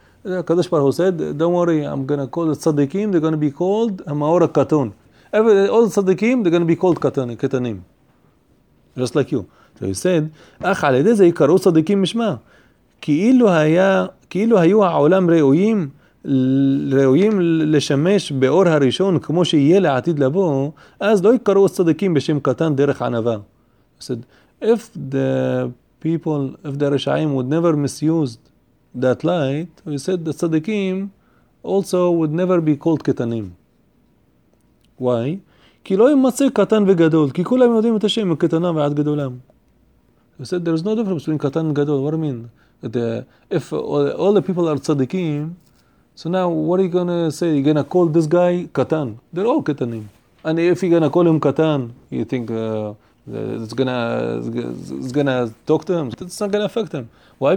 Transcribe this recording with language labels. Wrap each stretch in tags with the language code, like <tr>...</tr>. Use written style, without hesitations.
<en>Kadosh Baruch Hu said, don't worry, I'm going to call the tzaddikim, they're going to be called Amaora Katon. All the tzaddikim, they're going to be called Katanim, just like you. So he said,</en> <he>אך על ידי זה יקראו צדיקים משמע, כאילו היו העולם ראויים, ראויים לשמש באור הראשון כמו שיהיה לעתיד לבוא, אז לא יקראו צדיקים בשם קטן דרך ענווה.</he> <en>He said, if the people, if the רשעים would never misused that light, he said, the צדיקים also would never be called קטנים. Why?</en> <he>כי לא ימצא קטן וגדול, כי כולם יודעים את השם מקטנה ועד גדולם.</he> <en>He said, there is no difference between</en> <he>קטן וגדול.</he> <en>What do you mean? If all the people are צדיקים, so now, what are you going to say? You're going to call this guy Katan. They're all Katanim. And if you're going to call him Katan, you think It's gonna talk to them. It's not gonna affect them. Why?</en>